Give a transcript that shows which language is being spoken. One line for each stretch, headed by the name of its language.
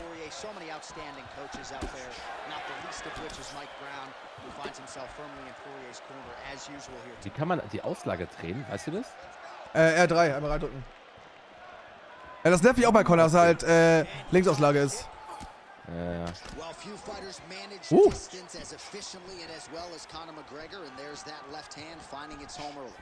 English: So many outstanding coaches out there, not the least of which is Mike Brown, who finds himself firmly in Poirier's corner as usual here.
German: Wie kann man die Auslage drehen? Weißt du das? R3, einmal reindrücken. Ja, das nervt mich auch bei Connor, dass er halt Linksauslage ist.
English: Well, few fighters manage distance as efficiently and as well as Conor McGregor, and there's that left hand finding its home early.